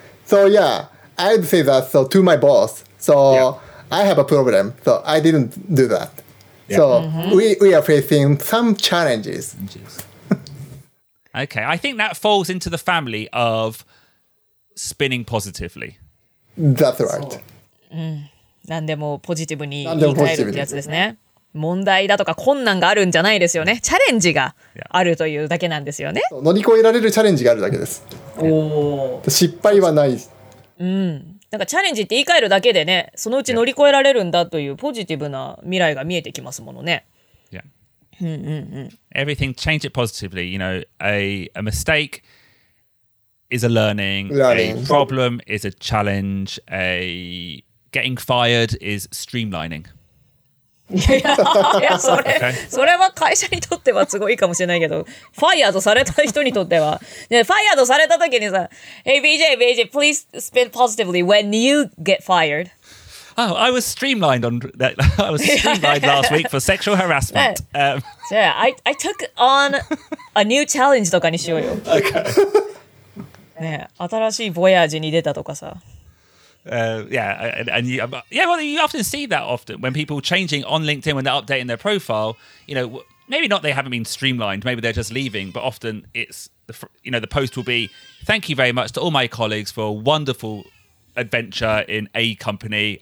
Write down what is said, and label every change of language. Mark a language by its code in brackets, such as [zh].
[en] So yeah, I'd say that so to my boss. So yeah. I have a problem. So I didn't do that. Yeah. So we are facing some challenges. Okay. I think that falls into the family of spinning positively. That's right. [ja] うん、何でもポジティブに言い換えるってやつですね。問題だとか困難があるんじゃないですよね。チャレンジがあるというだけなんですよね。乗り越えられるチャレンジがあるだけです。お、失敗はない。うん、なんかチャレンジって言い換えるだけでね、そのうち乗り越えられるんだというポジティブな未来が見えてきますものね。 [en] Yeah. うんうんうん。 Everything change it positively. You know, a mistake is a learning. Learning. A problem is a challenge. A... Getting fired is streamlining. [ja] いやそれ、okay. それは会社にとってはすごいかもしれないけど、ファイアードされた人にとっては、ね、ファイアードされた時にさ、 Hey BJ, BJ, please spin positively when you get fired. [en] Oh, I was streamlined on that. I was streamlined last week for sexual harassment. So yeah, I took on a new challenge [ja] とかにしようよ。 [en] Okay. [ja] ね、新しいボヤージに出たとかさ。 [en] Well, you often see that often when people changing on LinkedIn, when they're updating their profile, you know, maybe not they haven't been streamlined, maybe they're just leaving, but often it's, you know, the post will be, thank you very much to all my colleagues for a wonderful adventure in A company.